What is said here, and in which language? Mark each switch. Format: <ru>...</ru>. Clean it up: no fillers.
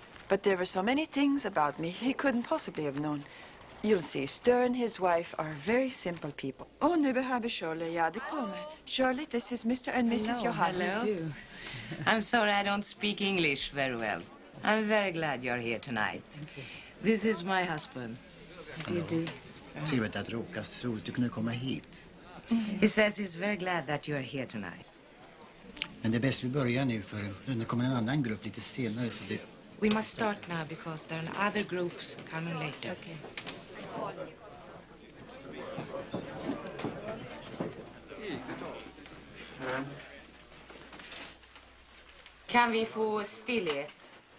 <en>But there were so many things about me he couldn't possibly have known. You'll see,</en> <sv>Sture</sv> <en>and his wife are very simple people.</en> <sv>Oh, nu behöver Shirley, ja, det kommer. Shirley,</sv> <en>this is Mr. and Mrs. Hello. Johannes. Hello. I'm sorry I don't speak English very well. I'm very glad you're here tonight. Thank you. This is my husband. You do.</en> <sv>Trevligt att råka tro att du kunde komma hit.</sv> <en>He says he's very glad that you are here tonight.</en> <sv>Men det är bäst vi börjar nu, för nu kommer en annan grupp lite senare. För det...</sv> <en>We must start now because there are other groups coming later. Okay.</en> <sv>Kan vi få stillhet?</sv>